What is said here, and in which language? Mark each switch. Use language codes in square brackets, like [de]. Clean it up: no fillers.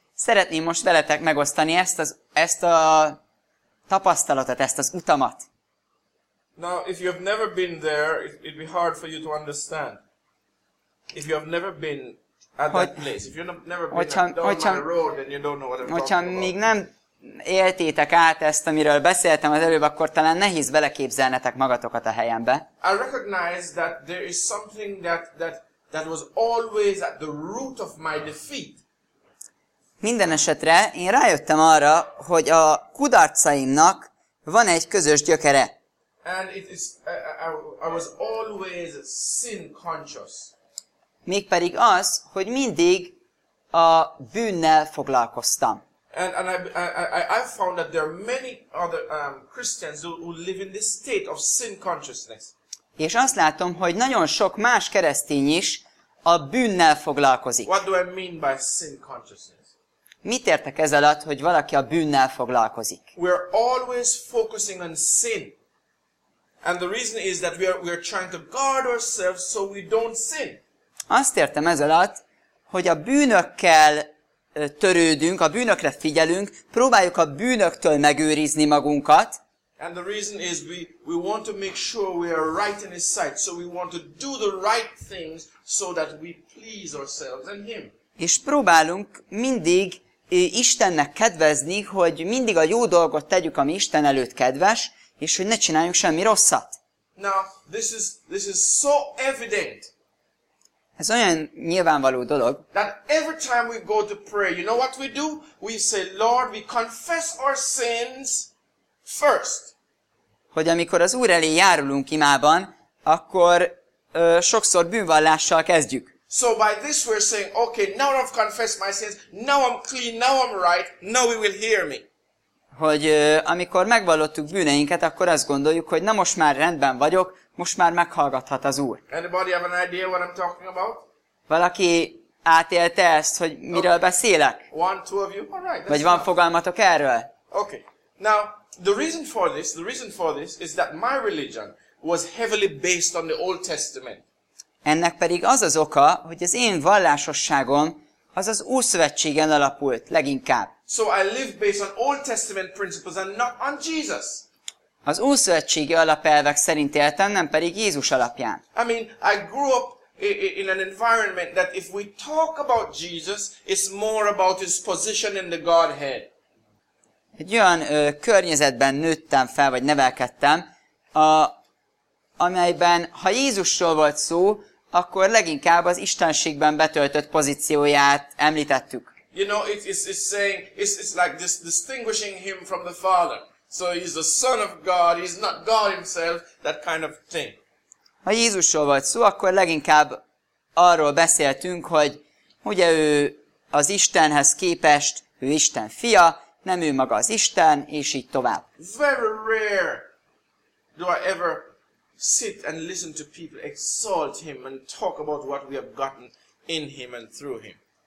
[hu] Szeretném most veletek megosztani ezt a tapasztalatot, ezt az utamat. [en] Now, if you have never been there, it'd be hard for you to understand. If you have never been at that place, if you've never been down my road, then you don't know what I'm talking about. [hu] Hogyha még nem éltétek át ezt, amiről beszéltem az előbb, akkor talán nehéz beleképzelnetek magatokat a helyembe. [en] I recognize that there is something that was always at the root of my defeat. [hu] Minden esetre én rájöttem arra, hogy a kudarcaimnak van egy közös gyökere. [en] And it is I was always sin conscious. [hu] Mégpedig az, hogy mindig a bűnnel foglalkoztam. [en] And I found that there are many other Christians who live in this state of sin consciousness. [hu] És azt látom, hogy nagyon sok más keresztény is a bűnnel foglalkozik. [en] What do I mean by sin consciousness? [hu] Mit értek ez alatt, hogy valaki a bűnnel foglalkozik? [en] We are always focusing on sin. And the reason is that we are trying to guard ourselves so we don't sin. [hu] Azt értem ez alatt, hogy a bűnökkel törődünk, a bűnökre figyelünk, próbáljuk a bűnöktől megőrizni magunkat. [en] And the reason is we want to make sure we are right in his sight, so we want to do the right things so that we please ourselves and him. [hu] És próbálunk mindig Istennek kedvezni, hogy mindig a jó dolgot tegyük, ami Isten előtt kedves, és hogy ne csináljunk semmi rosszat. [en] Now, this is so evident. [hu] Ez olyan nyilvánvaló dolog. [en] That every time we go to pray, you know what we do? We say, Lord, we confess our sins first. [hu] hogy amikor az Úr elé járulunk imában, akkor sokszor bűnvallással kezdjük. [en] So by this we're saying, okay, now I've confessed my sins, now I'm clean, now I'm right, now he will hear me. [hu] Hogy amikor megvallottuk bűneinket, akkor azt gondoljuk, hogy na most már rendben vagyok, most már meghallgathat az Úr. [en] Anybody have an idea what I'm talking about? [hu] Valaki átélte ezt, hogy miről beszélek? [en] One, two of you? All right, that's [hu] vagy van [en] enough. [hu] Fogalmatok erről? [en] Okay. Now, the reason for this is that my religion was heavily based on the Old Testament. [hu] Ennek pedig az az oka, hogy az én vallásosságom az az Ószövetségen alapult leginkább. [en] So I live based on Old Testament principles and not on Jesus. [hu] Az Ószövetségi alapelvek szerint éltem, nem pedig Jézus alapján. [en] I mean, I grew up in an environment that if we talk about Jesus, it's more about his position in the Godhead. [hu] Egy olyan környezetben nőttem fel, vagy nevelkedtem, amelyben, ha Jézusról volt szó, akkor leginkább az Istenségben betöltött pozícióját említettük. [en] You know, it's like this distinguishing him from the Father. So he's the Son of God, he's not God himself, that kind of thing. [hu] Ha Jézusról volt szó, akkor leginkább arról beszéltünk, hogy ugye ő az Istenhez képest, ő Isten fia, nem ő maga az Isten, és így tovább. [en] Very rare do I ever sit and listen to people exalt him and talk about what we have gotten in him and through him.